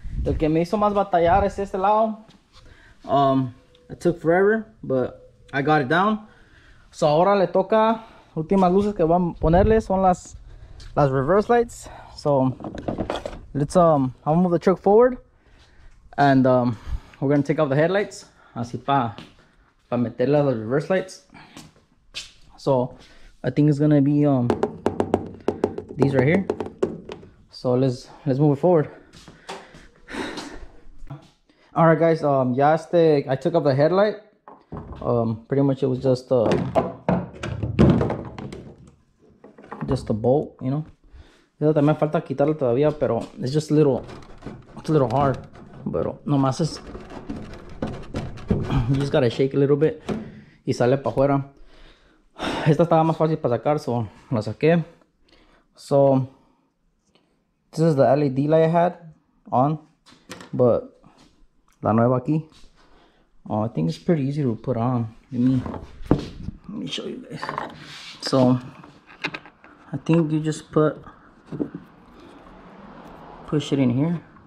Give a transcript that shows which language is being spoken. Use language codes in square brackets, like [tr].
[es] Lo que me hizo más batallar es este lado. [en] It took forever, but I got it down. [es] So ahora le toca, últimas luces que van a ponerle son las reverse lights. [en] So let's, I'm gonna move the truck forward and we're gonna take off the headlights. [es] Así pa meterle [en] the reverse lights. So I think it's gonna be, these right here. So let's move it forward. All right, guys, [es] ya este, [en] I took off the headlight. Pretty much it was just a bolt, you know. [es] Yo también falta quitarlo todavía, pero [en] it's just a little hard, [es] pero no más es, [en] you just gotta shake a little bit [es] y sale para afuera. Esta estaba más fácil para sacar, so la saqué. [en] So this is the LED light I had on, but [es] la nueva aquí. [en] Oh, I think it's pretty easy to put on. Let me show you guys. So I think you just push it in here.